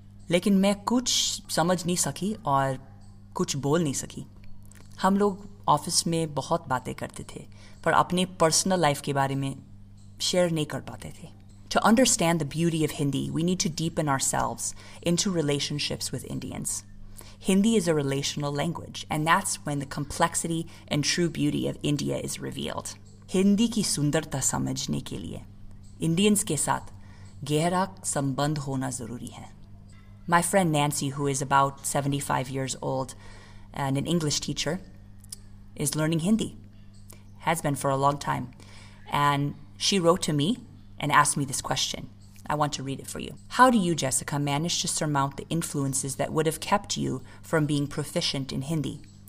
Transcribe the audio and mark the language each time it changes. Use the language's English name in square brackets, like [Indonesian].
[Hindi] लेकिन मैं कुछ समझ नहीं सकी और कुछ बोल नहीं सकी. हम लोग ऑफिस में बहुत बातें करते थे पर अपने पर्सनल लाइफ के बारे में शेयर नहीं कर पाते थे. [English] To understand the beauty of Hindi, we need to deepen ourselves into relationships with Indians. Hindi is a relational language, and that's when the complexity and true beauty of India is revealed. [Hindi] Hindi की सुंदरता समझने के लिए Indians के साथ गहरा संबंध होना ज़रूरी है. [English] My friend Nancy, who is about 75 years old and an English teacher, is learning Hindi, has been for a long time. And she wrote to me and asked me this question. I want to read it for you. How do you, Jessica, manage to surmount the influences that would have kept you from being proficient in Hindi?